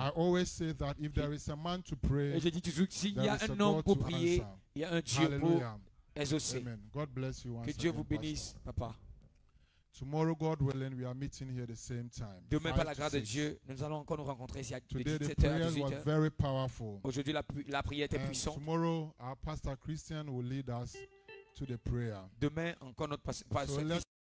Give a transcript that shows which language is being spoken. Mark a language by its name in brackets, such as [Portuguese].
[English] I always say that if there is a man to pray, [French] et je dis toujours, s'il y a un homme pour prier, il y a un Dieu pour exaucer. [English] Amen. God bless you once [French] que Dieu vous bénisse, papa. [English] Tomorrow, God willing, we are meeting here the same time. [French] Demain, par la grâce de Dieu, nous allons encore nous rencontrer ici à [English] 17h. Today, the prayer was very [French] Aujourd'hui, la prière était [English] and [French] puissante. [English] Tomorrow, our pastor Christian will lead us to the prayer. [French] Demain, encore notre pasteur. [English] So